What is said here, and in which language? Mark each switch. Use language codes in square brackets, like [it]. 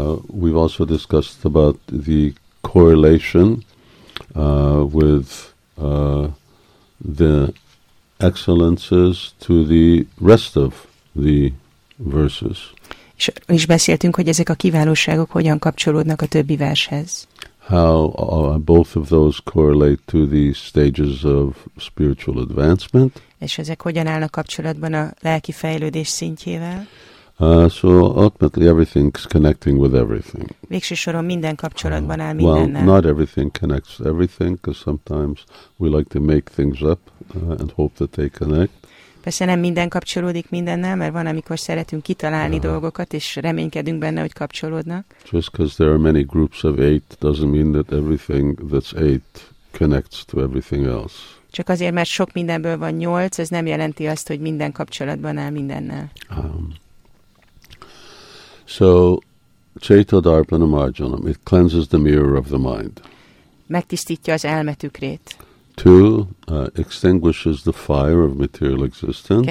[en] We've also discussed about the correlation with the excellences to the rest of the verses. [hu] És beszéltünk, hogy ezek a kiválóságok hogyan kapcsolódnak a többi vershez. [en] How both of those correlate to the stages of spiritual advancement. [hu] És ezek hogyan állnak kapcsolatban a lelki fejlődés szintjével. [en] So ultimately everything's connecting with everything. [hu] Végső soron minden kapcsolatban áll mindennel. [en] Well, not everything connects everything, because sometimes we like to make things up and hope that they connect. [hu] Persze nem minden kapcsolódik mindennel, mert van, amikor szeretünk kitalálni dolgokat, és reménykedünk benne, hogy kapcsolódnak. [en] Just because there are many groups of eight doesn't mean that everything that's eight connects to everything else. [hu] Csak azért, mert sok mindenből van nyolc, ez nem jelenti azt, hogy minden kapcsolatban áll mindennel. [en] So, [sa] Cheto Darpana Marjanam, [en] it cleanses the mirror of the mind. [hu] Megtisztítja az elme tükrét. [en] Two, extinguishes the fire of material existence.